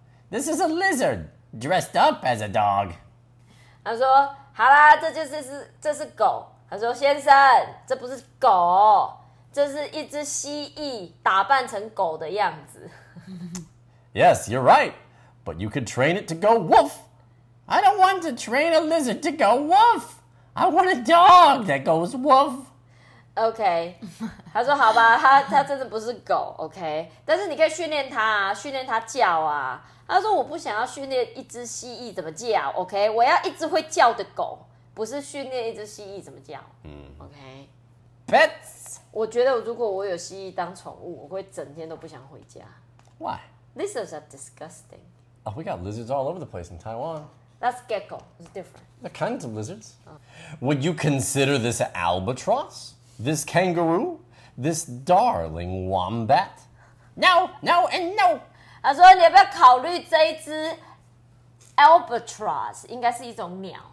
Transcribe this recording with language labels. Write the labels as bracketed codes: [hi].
[en] This is a lizard dressed up as a dog. [zh] 他说，好啦，这是狗。他说，先生，这不是狗，这是一只蜥蜴打扮成狗的样子。 [en] Yes, you're right. But you could train it to go woof. I don't want to train a lizard to go woof. I want a dog that goes woof. [zh] OK， 他说好吧，他真的不是狗 ，OK， 但是你可以训练他啊，训练他叫啊。他说我不想要训练一只蜥蜴怎么叫 ，OK， 我要一只会叫的狗，不是训练一只蜥蜴怎么叫。嗯 [en] ，OK， pets， [zh] 我觉得如果我有蜥蜴当宠物，我会整天都不想回家。 [en] Why？ Lizards are disgusting. Oh, we got lizards all over the place in Taiwan. That's gecko. It's different. The kinds of lizards.、Would you consider this an albatross? This kangaroo? This darling wombat? No, no, and no! [zh] 他说你要不要考虑这一只 albatross? 应该是一种鸟。